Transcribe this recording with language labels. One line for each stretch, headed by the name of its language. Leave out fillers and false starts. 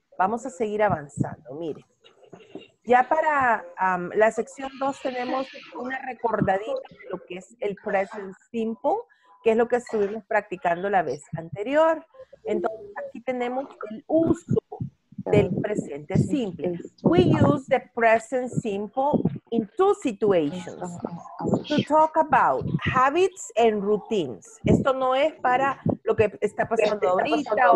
Spanish: Vamos a seguir avanzando, miren. Ya para la sección 2 tenemos una recordadita de lo que es el present simple, que es lo que estuvimos practicando la vez anterior. Entonces aquí tenemos el uso del presente simple.
English: We use the present simple in two situations. To talk about habits and routines.
Spanish: Esto no es para lo que está pasando ahorita.